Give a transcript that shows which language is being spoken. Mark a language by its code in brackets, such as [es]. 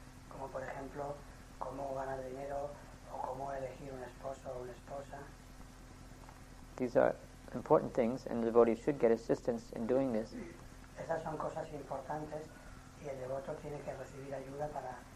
[es] Como por ejemplo, cómo ganar dinero o cómo elegir un esposo o una esposa. [en] These are important things and the devotee should get assistance in doing this. [es] Esas son cosas importantes y el devoto tiene que recibir ayuda para